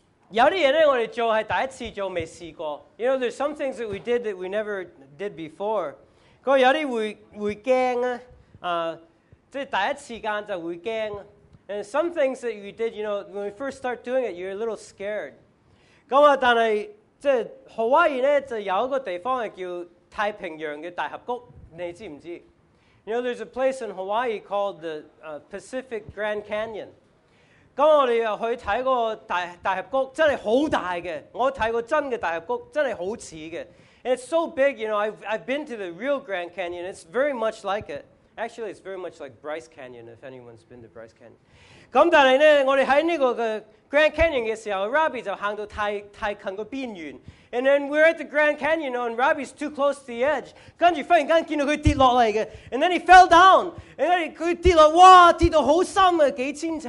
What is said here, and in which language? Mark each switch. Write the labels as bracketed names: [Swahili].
[Cantonese] 有啲嘢咧，我哋做係第一次做，未試過。 [English] You know, there's some things that we did that we never did before. [Cantonese] 有啲會驚啊。即係第一次間就會驚 [English] ，and some things that you did, you know, when we first start doing it, you're a little scared. [Cantonese] 咁啊，但係即係Hawaii咧，就有一個地方係叫太平洋嘅大峽谷，你知唔知 [English] ？You know, there's a place in Hawaii called the Pacific Grand Canyon. [Cantonese] 咁我哋又去睇個大峽谷，真係好大嘅。我睇過真嘅大峽谷，真係好似嘅。 [English] And it's so big, you know. I've been to the real Grand Canyon. It's very much like it. Actually, it's very much like Bryce Canyon, if anyone's been to Bryce Canyon. [Cantonese] 咁但係咧，我哋喺呢個 Grand Canyon 嘅時候 ，Robbie 就行到太近個邊緣 [English] ，and then we're at the Grand Canyon, and Robbie's too close to the edge. [Cantonese] 跟住忽然間見到佢跌落嚟嘅 ， [English] and then he fell down. And then [Cantonese] 佢跌落，哇，跌到好深啊，幾千尺